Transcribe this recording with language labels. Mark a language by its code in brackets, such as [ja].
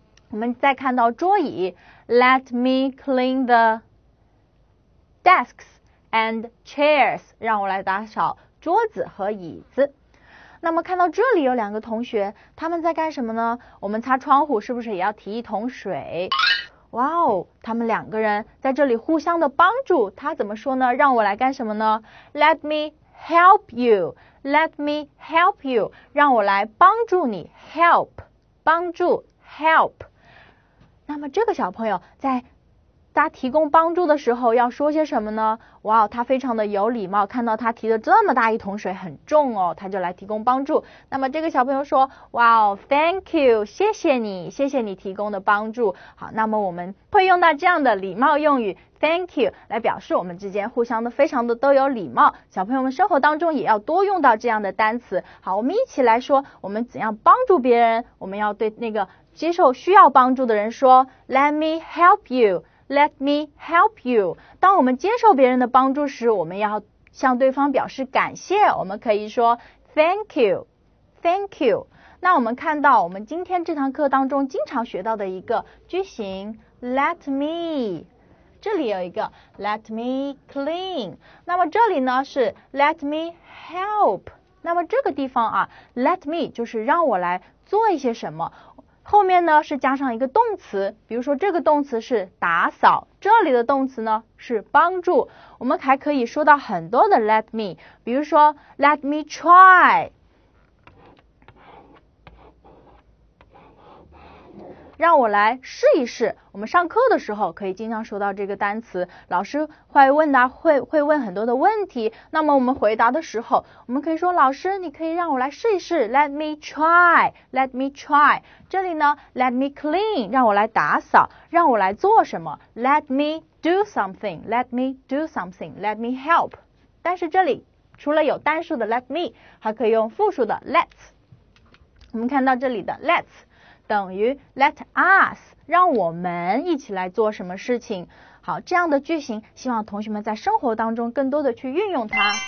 [zh] 我们再看到桌椅 [en] ，Let me clean the desks and chairs. [zh] 让我来打扫桌子和椅子。那么看到这里有两个同学，他们在干什么呢？我们擦窗户是不是也要提一桶水？哇哦，他们两个人在这里互相的帮助。他怎么说呢？让我来干什么呢 ？ [en] Let me help you. Let me help you. [zh] 让我来帮助你。 [en] Help， 帮助。Help。 [zh] 那么这个小朋友在他提供帮助的时候要说些什么呢？哇哦，他非常的有礼貌，看到他提的这么大一桶水很重哦，他就来提供帮助。那么这个小朋友说，哇哦 ， [en] Thank you， [zh] 谢谢你，谢谢你提供的帮助。好，那么我们会用到这样的礼貌用语 [en] Thank you [zh] 来表示我们之间互相的非常的都有礼貌。小朋友们生活当中也要多用到这样的单词。好，我们一起来说，我们怎样帮助别人？我们要对那个接受需要帮助的人说 ， [en] Let me help you。 Let me help you. [zh] 当我们接受别人的帮助时，我们要向对方表示感谢。我们可以说 [en] thank you, thank you. [zh] 那我们看到我们今天这堂课当中经常学到的一个句型 let me, 这里有一个 [en] let me clean. [zh] 那么这里呢是 [en] let me help. [zh] 那么这个地方啊 let me 就是让我来做一些什么。后面呢是加上一个动词，比如说这个动词是打扫，这里的动词呢是帮助。我们还可以说到很多的 let me， 比如说 [en] let me try， [zh] 让我来试一试。我们上课的时候可以经常说到这个单词，老师会问答会问很多的问题，那么我们回答的时候我们可以说，老师你可以让我来试一试， [en] let me try， let me try。 [zh] 这里呢 [en] let me clean， [zh] 让我来打扫，让我来做什么， [en] let me do something， let me do something， let me help。 [zh] 但是这里除了有单数的 let me， 还可以用复数的 let's。我们看到这里的 let's 等于 [en] let us， [zh] 让我们一起来做什么事情。好，这样的句型希望同学们在生活当中更多的去运用它。